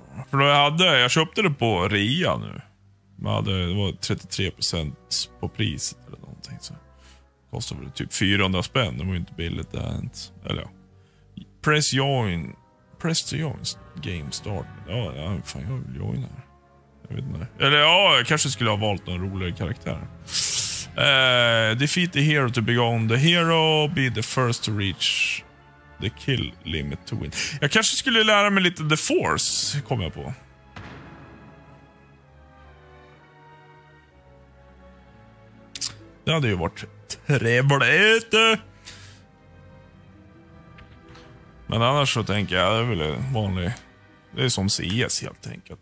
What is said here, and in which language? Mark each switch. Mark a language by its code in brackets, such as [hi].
[sv] För då jag köpte det på rea nu. Det var 33% på priset eller någonting. Så kostade väl typ 400 spänn. Det var ju inte billigt det här. Eller ja. [en] Press join. Press to join. Game start. [sv] Ja, fan, jag vill join här. Jag vet inte. Eller ja, jag kanske skulle ha valt någon roligare karaktär. [en] Defeat the hero to begin. The hero be the first to reach the kill limit to win. [sv] Jag kanske skulle lära mig lite The Force, kom jag på. Det hade ju varit trevligt. Men annars så tänker jag, det är väl vanligt. Det är som CS helt enkelt.